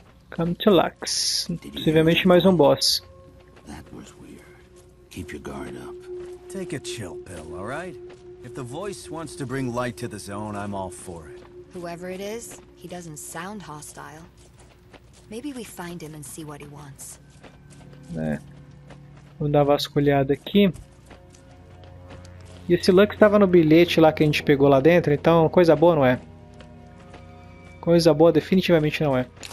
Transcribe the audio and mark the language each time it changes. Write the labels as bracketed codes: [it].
[en] Come to Lux. [pt] Possivelmente mais um boss. [en] That was weird. Keep your guard up. Take a chill pill, all right? If the voice wants to bring light to the zone, I'm all for it. Whoever it is, he doesn't sound hostile. Maybe we find him and see what he wants. [pt] Né? Vou dar uma vasculhada aqui. E esse Lux estava no bilhete lá que a gente pegou lá dentro, então coisa boa não é. Coisa boa definitivamente não é.